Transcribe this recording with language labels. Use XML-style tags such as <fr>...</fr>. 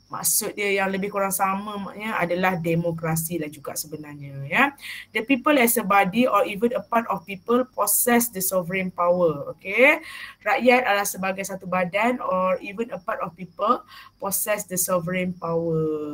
<ms>Maksud dia yang lebih kurang sama maknya adalah demokrasi lah juga sebenarnya. Ya.</ms> <en>The people as a body or even a part of people possess the sovereign power. Okay.</en> <ms>Rakyat adalah sebagai satu badan</ms> <en>or even a part of people possess the sovereign power.</en>